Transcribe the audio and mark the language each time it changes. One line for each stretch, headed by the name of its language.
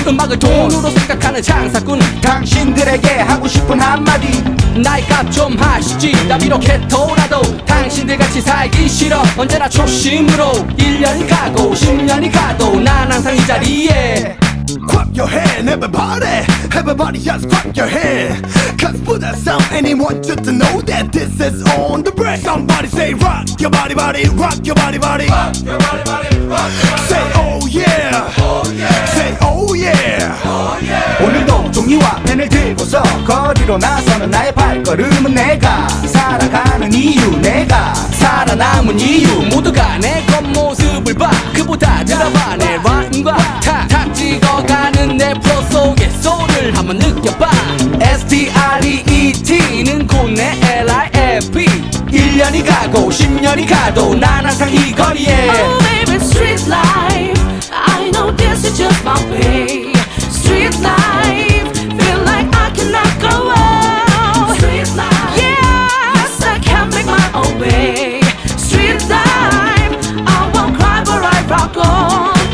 Korean: 음악을 돈으로 생각하는 장사꾼 당신들에게 하고 싶은 한마디 나이값 좀 하시지. 나 이렇게 돌아도 당신들 같이 살기 싫어. 언제나 초심으로 1년이 가고 10년이 가도 난 항상 이 자리에.
English: Clap your hand, everybody. Everybody just clap your hand. Cause Buda Sound, anyone just to know that this is on the break. Somebody say rock your body, body, rock your body, body. Rock your body, body, rock your body. Say oh yeah, oh yeah. Say oh yeah, oh yeah.
Korean: 오늘도 종이와 펜을 들고서 거리로 나서는 나의 발걸음은 내가 살아가는 이유, 내가 살아남은 이유. 모두가 내 겉모습을 봐. 그보다 들어봐 내 rhyme과 탁탁 찍어가는 내 flow 속에 소울을 한번 느껴봐. S.T.R.E.E.T는 곧 내 L.I.F.E. 1년이 가고 10년이 가도 난 항상 이 거리에.
English: Oh baby, street life, I know this is just my way. Street life, feel like I cannot go out. Street life, yes, I can make my own way. Street life, I won't cry but I rock on.